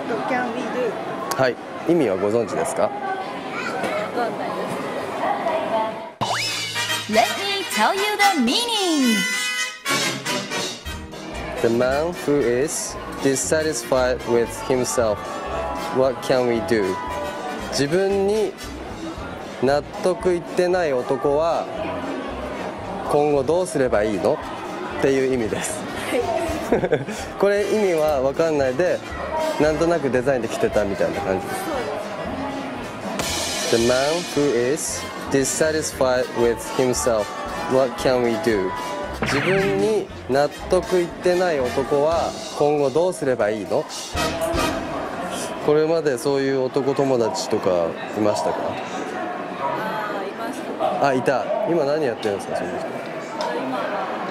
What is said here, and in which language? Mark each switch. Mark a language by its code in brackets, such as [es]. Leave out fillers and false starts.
[ja] はい、意味はご存知ですか。 [en] Let me tell you the meaning. The man who is dissatisfied with himself, what can we do? [ja] 自分に納得いってない男は今後どうすればいいのっていう意味です。これ意味は分かんないで、なんとなくデザインで着てたみたいな感じです。 [en] The man who is dissatisfied with himself, what can we do? [ja] 自分に納得いってない男は今後どうすればいいの。これまでそういう男友達とかいましたか。あ、いました。あ、いた。今何やってるんですか、その人。今は